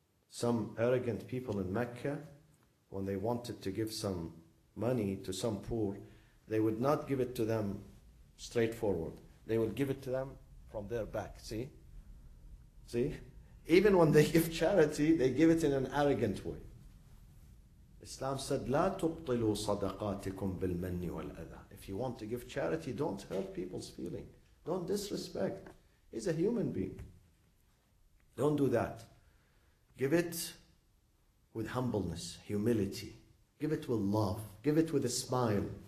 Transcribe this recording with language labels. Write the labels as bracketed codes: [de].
[en] Some arrogant people in Mecca, when they wanted to give some money to some poor, they would not give it to them straightforward. They would give it to them from their back. See? See, even when they give charity, they give it in an arrogant way. Islam said, [ar] لا تبطلوا صدقاتكم بالمن والأذى. [en] If you want to give charity, don't hurt people's feelings. Don't disrespect. He's a human being. Don't do that. Give it with humbleness, humility. Give it with love. Give it with a smile.